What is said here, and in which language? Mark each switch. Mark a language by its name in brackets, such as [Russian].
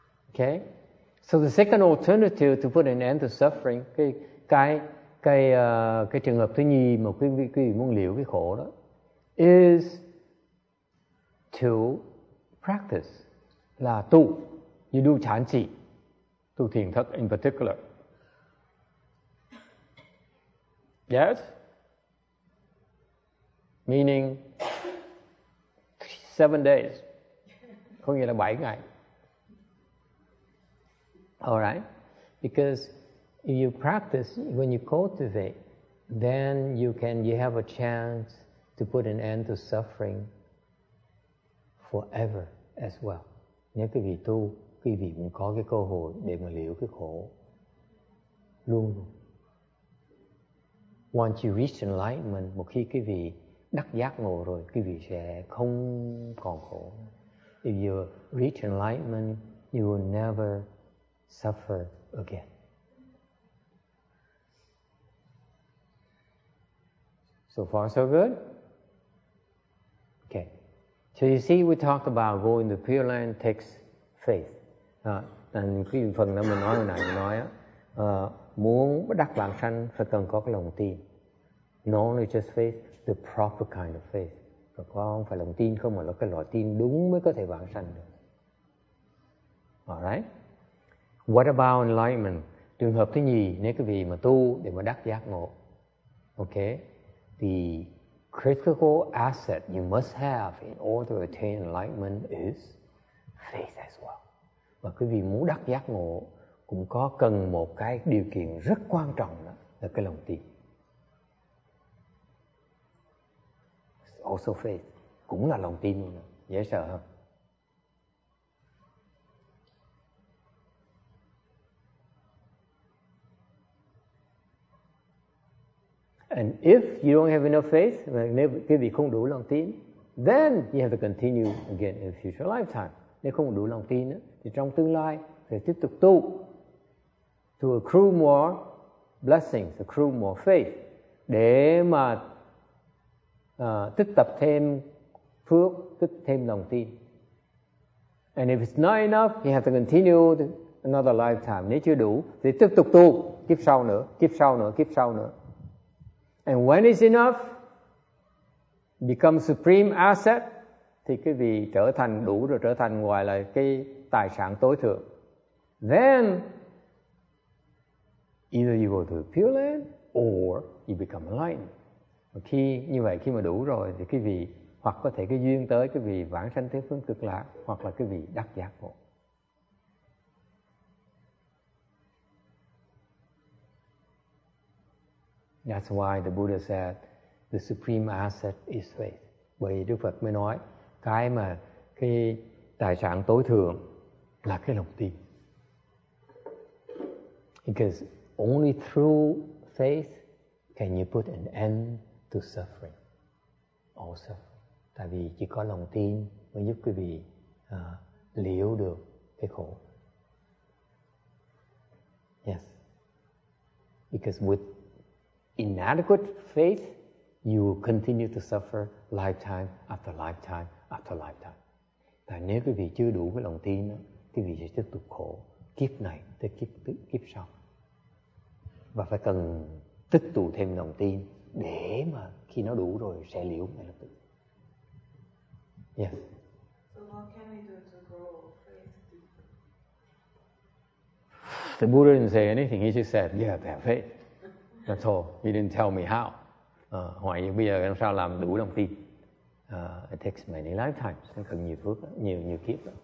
[English] Okay? So the second alternative to put an end to suffering, [Vietnamese] cái trường hợp thứ nhì mà quý vị muốn liễu cái khổ đó [English] is to practice, [Vietnamese] là tu, [English] you do [Vietnamese] chán chỉ, tu thiền thất [English] in particular. Yes? Meaning 7 days, [Vietnamese] có nghĩa là 7 ngày. [English] Alright? Because if you practice, when you cultivate, then you have a chance to put an end to suffering forever. As well. [Vietnamese] Nếu quý vị tu, quý vị cũng có cái cơ hội để mà liễu cái khổ luôn. [English] Once you reach enlightenment, [Vietnamese] một khi quý vị đắc giác ngộ rồi, quý vị sẽ không còn khổ. [English] If you reach enlightenment, you will never suffer again. So far, so good? Okay. So you see, we talked about going to Pure Land takes faith. [Vietnamese] And khi phần đó mình nói hồi nãy mình nói, muốn đắc vãng sanh phải cần có cái lòng tin. [English] Not only just faith, the proper kind of faith. [Vietnamese] Phải có không phải lòng tin không, mà là cái loại tin đúng mới có thể vãng sanh được. [English] Alright? What about enlightenment? [Vietnamese] Trường hợp thứ nhì, nếu cái vị mà tu để mà đắc giác ngộ. [English] Okay? The critical asset you must have in order to attain enlightenment is faith as well. [Vietnamese] Và quý vị muốn đắc giác ngộ cũng có cần một cái điều kiện rất quan trọng đó, là cái lòng tin. [English] It's also faith, [Vietnamese] cũng là lòng tin luôn. Dễ sợ không? [English] And if you don't have enough faith, [Vietnamese] nếu quý vị không đủ lòng tin, [English] then you have to continue again in future lifetime. [Vietnamese] Nếu không đủ lòng tin, thì trong tương lai phải tiếp tục tu [English] to accrue more blessings, accrue more faith, [Vietnamese] để mà tích tập thêm phước, tích thêm lòng tin. [English] And if it's not enough, you have to continue another lifetime. [Vietnamese] Nếu chưa đủ, thì tiếp tục tu, kiếp sau nữa, kiếp sau nữa, kiếp sau nữa. [English] And when it's enough, become supreme asset, [Vietnamese] thì quý vị trở thành đủ rồi, trở thành gọi là cái tài sản tối thượng. [English] Then, either you go to Pure Land or you become enlightened. [Vietnamese] Khi như vậy, khi mà đủ rồi, thì quý vị hoặc có thể cái duyên tới quý vị vãng sanh thế phương cực lạc, hoặc là quý vị đắc giác ngộ. [English] That's why the Buddha said the supreme asset is faith. [Vietnamese] Bởi Đức Phật mới nói cái mà cái tài sản tối thượng là cái lòng tin. [English] Because only through faith can you put an end to suffering. All suffering. [Vietnamese] Tại vì chỉ có lòng tin mới giúp quý vị liễu được cái khổ. [English] Yes. Because with inadequate faith, you will continue to suffer lifetime after lifetime after lifetime. [Vietnamese] Tại nếu quý vị chưa đủ cái lòng tin, quý vị sẽ tiếp tục khổ kiếp này tới kiếp sau. Và phải cần tích tụ thêm lòng tin để mà khi nó đủ rồi sẽ liễu ngay lập tức. [English] Yes. So what can we do to grow faith? The Buddha didn't say anything. He just said, yeah, they have faith. That's all. He didn't tell me how. [Vietnamese] Hỏi bây giờ làm sao làm đủ lòng tin. [English] It takes many lifetimes. [Vietnamese] Nó cần nhiều phước, nhiều kiếp.